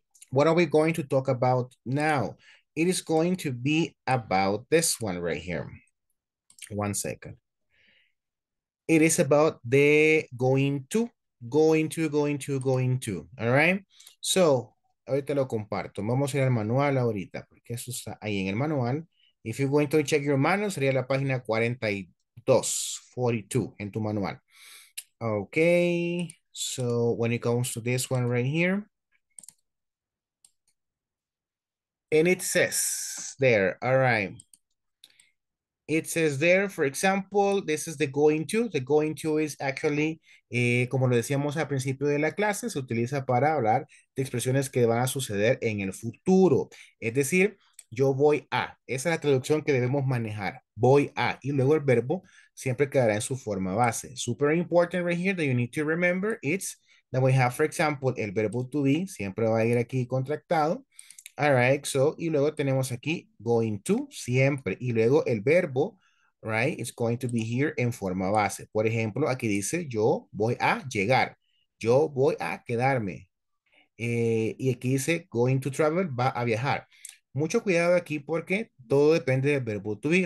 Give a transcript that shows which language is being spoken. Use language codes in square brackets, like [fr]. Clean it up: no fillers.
[en] What are we going to talk about now? It is going to be about this one right here. One second. It is about the going to, all right? [es] So, ahorita lo comparto. Vamos a ir al manual ahorita, porque eso está ahí en el manual. [en] If you're going to check your manual, [es] sería la página 42 en tu manual. [en] Okay, so when it comes to this one right here, and it says there, all right. It says there, for example, this is the going to. The going to is actually, [es] como lo decíamos al principio de la clase, se utiliza para hablar de expresiones que van a suceder en el futuro. Es decir, yo voy a. Esa es la traducción que debemos manejar. Voy a. Y luego el verbo siempre quedará en su forma base. [en] Super important right here that you need to remember. It's that we have, for example, el verbo to be. [es] Siempre va a ir aquí contractado. All right, so, y luego tenemos aquí going to, siempre, y luego el verbo, right, [en] is going to be here [es] en forma base. Por ejemplo, aquí dice, yo voy a llegar, yo voy a quedarme. Y aquí dice, going to travel, va a viajar. Mucho cuidado aquí porque todo depende del verbo to be.